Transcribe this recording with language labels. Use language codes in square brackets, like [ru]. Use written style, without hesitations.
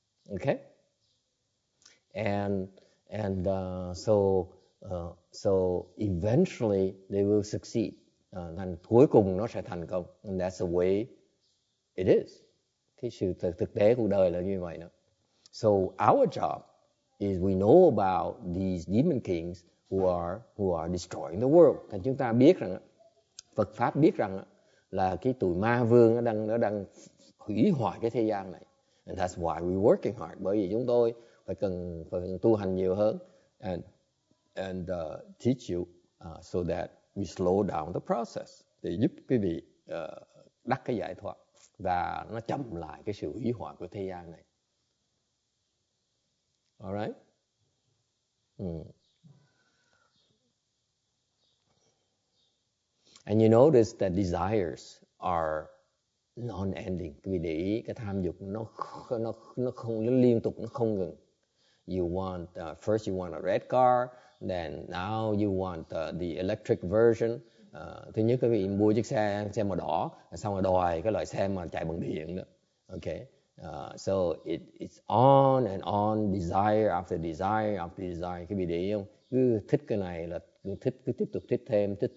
[en] Okay, and so eventually they will succeed. [vi] Thành cuối cùng nó sẽ thành công. [en] And that's the way it is. [vi] Cái sự thực tế cuộc đời là như vậy đó. [en] So our job is we know about these demon kings who are destroying the world. [vi] Thành chúng ta biết rằng Phật pháp biết rằng là cái tụi ma vương nó đang hủy hoại cái thế gian này. [en] And that's why we're working hard. [vi] Bởi vì chúng tôi phải cần tu hành nhiều hơn [en] and teach you so that we slow down the process. [vi] Để giúp quý vị đắc cái giải thoát và nó chậm lại cái sự hủy hoại của thế gian này. [en] All right? And you notice that desires are non-ending. [vi] Quý vị để ý cái tham dục nó không nó liên tục, nó không ngừng. [en] You want first you want a red car, then now you want the electric version. [vi] Thứ nhất quý vị mua chiếc xe màu đỏ, xong rồi đòi cái loại xe mà chạy bằng điện đó. [en] Okay. So it's on and on, desire after desire after desire. [vi] Quý vị để ý không? Cứ thích cái này là thích, cứ tiếp tục thích thêm.